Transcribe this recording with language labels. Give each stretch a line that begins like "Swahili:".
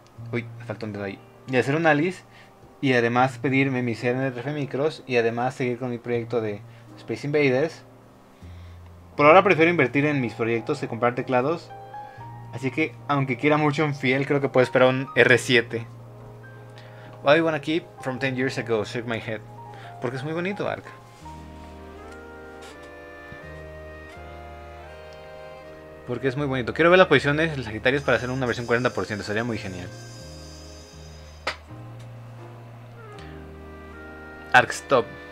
Spanish: Uy, me faltó un dedo ahí. Y hacer un Alice. Y además pedirme mis NRF micros. Y además seguir con mi proyecto de Space Invaders. Por ahora prefiero invertir en mis proyectos que comprar teclados. Así que, aunque quiera mucho un Fiel, creo que puedo esperar un R7.
English: What I wanna keep from 10 years ago, shake my head.
Spanish: Porque es muy bonito, Ark. Porque es muy bonito. Quiero ver las posiciones de Sagitarios para hacer una versión 40%. Sería muy genial.
English: Ark, stop.